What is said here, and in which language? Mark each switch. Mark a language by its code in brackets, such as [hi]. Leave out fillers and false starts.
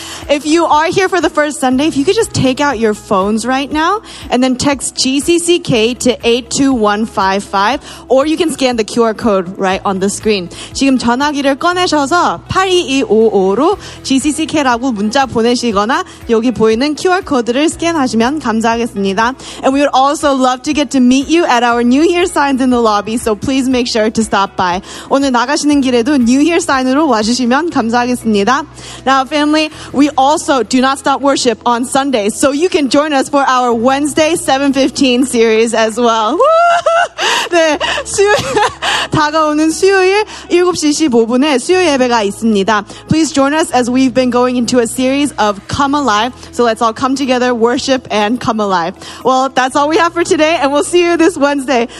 [en] If you are here for the first Sunday, if you could just take out your phones right now and then text GCCK to 82155 or you can scan the QR code right on the screen. [ko] 지금 전화기를 꺼내셔서 82255로 GCCK라고 문자 보내시거나 여기 보이는 QR 코드를 스캔하시면 감사하겠습니다. [en] And we would also love to get to meet you at our New Year signs in the lobby, so please make sure to stop by. [ko] 오늘 나가시는 길에도 New Year sign으로 와주시면 감사하겠습니다. [en] Now, family, we also do not stop worship on Sunday, so you can join us for our Wednesday 7:15 series as well. [ko] 네, 다가오는 수요일 7시 15분에 수요 예배가 있습니다. [en] Please join us as we've been going into a series of Come Alive. So let's all come together, worship, and come alive. Well, that's all we have for today, and we'll see you this Wednesday.